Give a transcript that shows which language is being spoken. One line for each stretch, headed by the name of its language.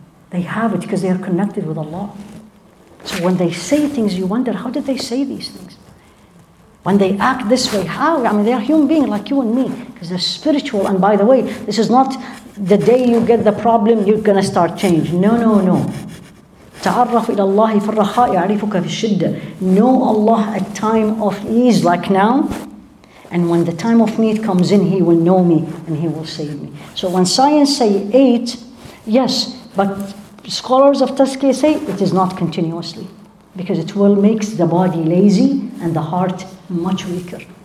English: They have it because they are connected with Allah. So when they say things, you wonder, how did they say these things? When they act this way, how? I mean, they are human beings like you and me, because they're spiritual. And by the way, this is not the day you get the problem, you're going to start changing. No.
Arabic: تعرف إلى الله في الرخاء يعرفك في الشدة.
English: Know Allah at time of ease, like now. And when the time of need comes in, he will know me and he will save me. So when science say 8, yes, but scholars of tazkiyah say it is not continuously, because it will make the body lazy and the heart much weaker.